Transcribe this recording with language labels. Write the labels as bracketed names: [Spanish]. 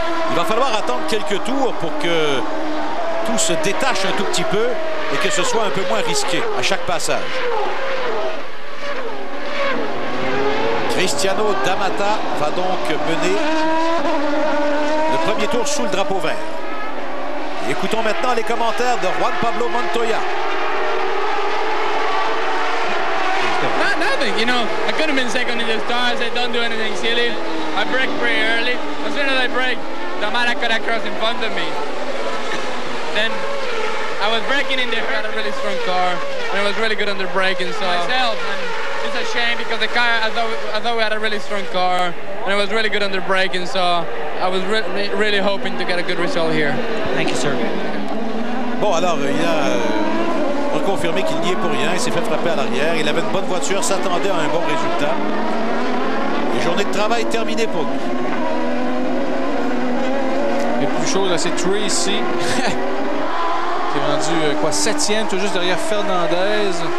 [French] Il va falloir attendre quelques tours pour que tout se détache un tout petit peu et que ce soit un peu moins risqué à chaque passage. Cristiano D'Amata va donc mener le premier tour sous le drapeau vert. Et écoutons maintenant les commentaires de Juan Pablo Montoya. [English] You know, I could have been second in the stars. I don't do anything silly. I break pretty early. As soon as I break, the man I cut across in front of me. Then I was braking in there. I had a really strong car, and it was really good under braking. So myself, and it's a shame because the car, I thought we had a really strong car, and it was really good under braking. So I was really hoping to get a good result here. Thank you, sir. [French] Bon, alors, il y a reconfirmé qu'il n'y est pour rien. Il s'est fait frapper à l'arrière. Il avait une bonne voiture, s'attendait à un bon résultat. Et journée de travail terminée pour lui. Les plus chaudes, c'est Trey ici. Qui est rendu, quoi, septième, tout juste derrière Fernandez.